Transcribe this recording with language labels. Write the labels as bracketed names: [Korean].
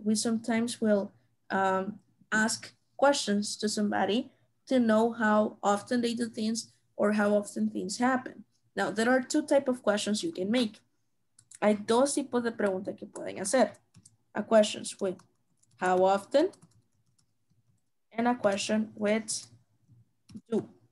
[English] We sometimes will ask questions to somebody to know how often they do things or how often things happen. Now, there are two types of questions you can make. [Spanish] Hay dos tipos de preguntas que pueden hacer. [English] A question with how often and a question with do.